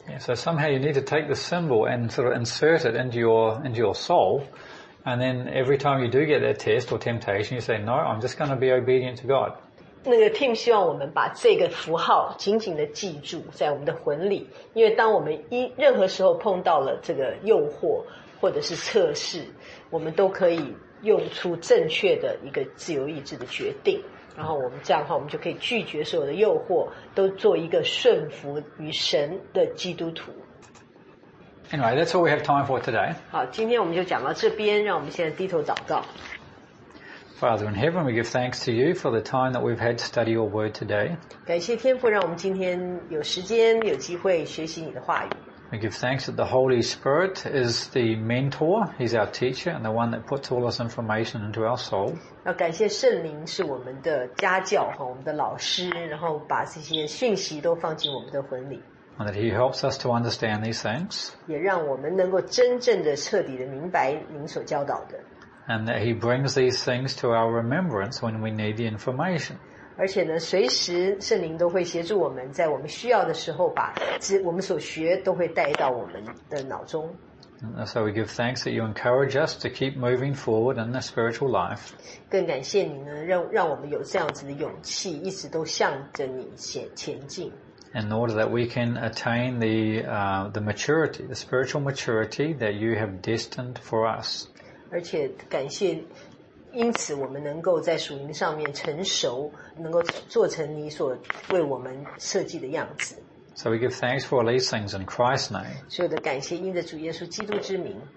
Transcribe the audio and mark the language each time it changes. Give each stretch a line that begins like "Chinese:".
English: Yeah, so somehow you need to take the symbol and sort of insert it into your soul, and then every time you do get that test or temptation, you say, "No, I'm just going to be obedient to God."
Chinese: 那个 Tim 希望我们把这个符号紧紧的记住在我们的魂里，因为当我们任何时候碰到了这个诱惑或者是测试，我们都可以用出正确的一个自由意志的决定。然后我们这样的话，我们就可以拒绝所有的诱惑，都做一个顺服于神的基督徒。
English: Anyway, that's all we have time for today.
Chinese: 好，今天我们就讲到这边，让我们现在低头祷告。
English: Father in heaven, we give thanks to you for the time that we've had to study your word today.
Chinese: 感谢天父，让我们今天有时间、有机会学习你的话语。
English: We give thanks that the Holy Spirit is the mentor, He's our teacher, and the one that puts all this information into our soul.
Chinese: 要感谢圣灵是我们的家教，我们的老师，然后把这些讯息都放进我们的魂里。
English: And that He helps us to understand these things.
Chinese: 也让我们能够真正的、彻底的明白您所教导的。
English: And that He brings these things to our remembrance when we need the information.
Chinese: 而且呢，随时圣灵都会协助我们，在我们需要的时候把我们所学都会带到我们的脑中。
English: That's how we give thanks that you encourage us to keep moving forward in the spiritual life.
Chinese: 更感谢你呢，让我们有这样子的勇气，一直都向着你前进。
English: In order that we can attain the maturity, the spiritual maturity that you have destined for us.
Chinese: 而且感谢，因此我们能够在属灵上面成熟，能够做成你所为我们设计的样子。
English: So we give thanks for all these things in Christ's name.
Chinese: 所有的感谢因着主耶稣基督之名。